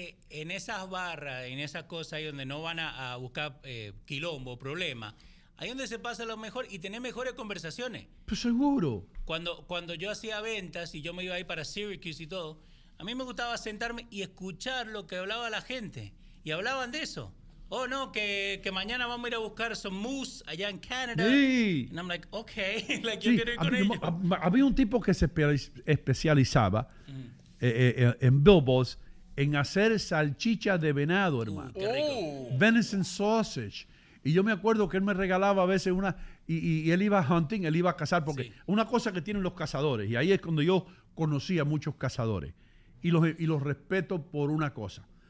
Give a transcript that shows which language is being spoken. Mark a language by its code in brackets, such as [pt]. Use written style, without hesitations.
[es] En esas barras, en esas cosas ahí donde no van a buscar quilombo, problema, ahí donde se pasa lo mejor y tener mejores conversaciones. Pues seguro. Cuando yo hacía ventas y yo me iba ahí para Syracuse y todo, a mí me gustaba sentarme y escuchar lo que hablaba la gente. Y hablaban de eso. Oh, no, que mañana vamos a ir a buscar [en] some moose [es] allá en Canadá. Sí. [en] And I'm like, okay, like you're going to [es] ir con ellos. Había un tipo que se especializaba en Bilbo's en hacer salchicha de venado, hermano. Qué rico. [en] Venison sausage. [es] Y yo me acuerdo que él me regalaba a veces una, y él iba hunting, él iba a cazar, porque sí. Una cosa que tienen los cazadores, y ahí es cuando yo conocí a muchos cazadores, y los respeto por una cosa.